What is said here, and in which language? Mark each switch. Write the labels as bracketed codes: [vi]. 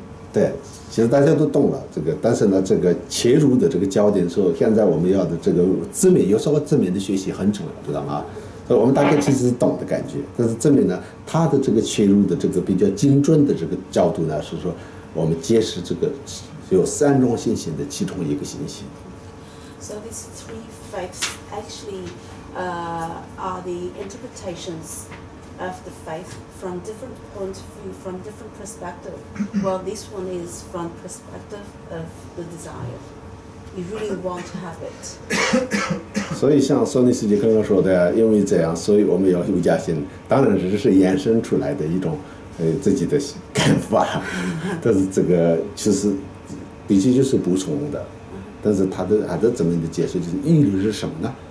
[zh] 对，其实大家都懂了这个，但是呢这个切入的这个焦点说现在我们要的这个字面，有时候字面的学习很重要，知道吗？所以我们大概其实是懂的感觉，但是这里呢它的这个切入的这个比较精准的这个角度呢是说我们揭示这个有三种信心的其中一个信心。 [en] So these three faiths actually are the interpretations of the faith from different points of view, from different perspective. Well, this one is from perspective of the desire. You really want to have it. [zh] 所以像孙女士你刚刚说的，因为这样，所以我们要有加薪，当然只是延伸出来的一种自己的看法，但是这个其实毕竟就是补充的，但是他的还是怎么的解释，就是意义是什么呢？